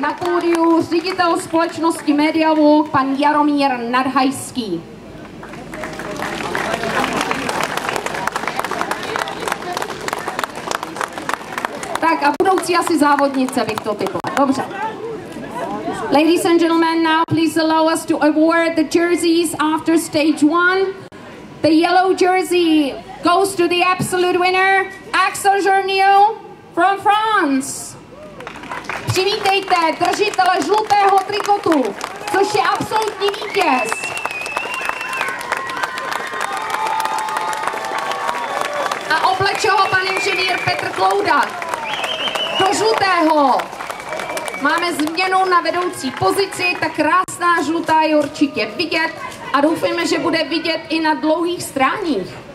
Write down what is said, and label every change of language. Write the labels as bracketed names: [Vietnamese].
[Czech] Na pódiu ředitel společnosti MediaWalk, pan Jaromír Nadhajský. Tak a budoucí asi závodnice bych to typoval. Dobře. [English] Ladies and gentlemen, now please allow us to award the jerseys after stage one. The yellow jersey goes to the absolute winner, Axel Journeau from France. [Czech] Přivítejte držitele žlutého trikotu, což je absolutní vítěz. A obleče ho pan inženýr Petr Klouda. Do žlutého máme změnu na vedoucí pozici, ta krásná žlutá je určitě vidět a doufejme, že bude vidět i na dlouhých stráních.